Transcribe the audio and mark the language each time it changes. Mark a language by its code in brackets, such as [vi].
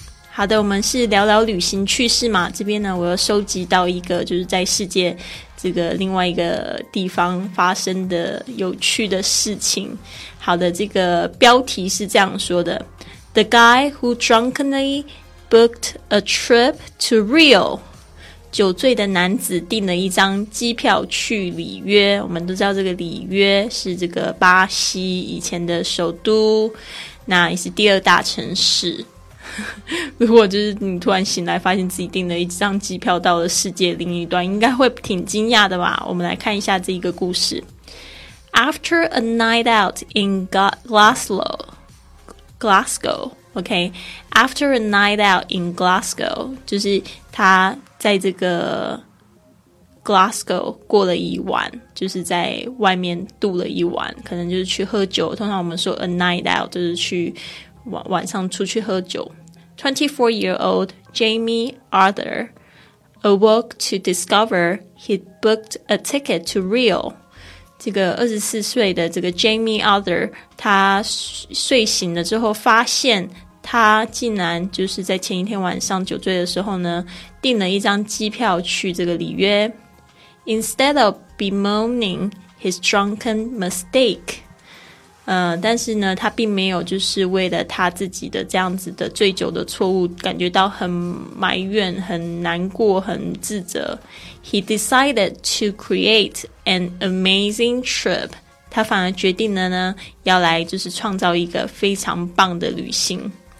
[zh] 好的，我们是聊聊旅行趣事嘛，这边呢我又收集到一个就是在世界这个另外一个地方发生的有趣的事情。好的，这个标题是这样说的， [en] The guy who drunkenly booked a trip to Rio. [zh] 酒醉的男子订了一张机票去里约。我们都知道这个里约是这个巴西以前的首都，那也是第二大城市。如果就是你突然醒来发现自己订了一张机票到了世界另一端，应该会挺惊讶的吧。我们来看一下这一个故事。 [en] After a night out in Glasgow, okay. After a night out in Glasgow, [zh] 就是他在这个 Glasgow 过了一晚，就是在外面度了一晚，可能就是去喝酒。通常我们说 [en] a night out [zh] 就是去晚上出去喝酒。 [en] 24-year-old Jamie Arthur awoke to discover he'd booked a ticket to Rio. [zh] 这个24岁的这个 Jamie Arthur, 他睡醒了之后发现他竟然就是在前一天晚上酒醉的时候呢订了一张机票去这个里约。 [en] Instead of bemoaning his drunken mistake, [zh] 但是呢他并没有就是为了他自己的这样子的醉酒的错误感觉到很埋怨很难过很自责。 [en] He decided to create an amazing trip. [zh] 他反而决定了呢要来就是创造一个非常棒的旅行。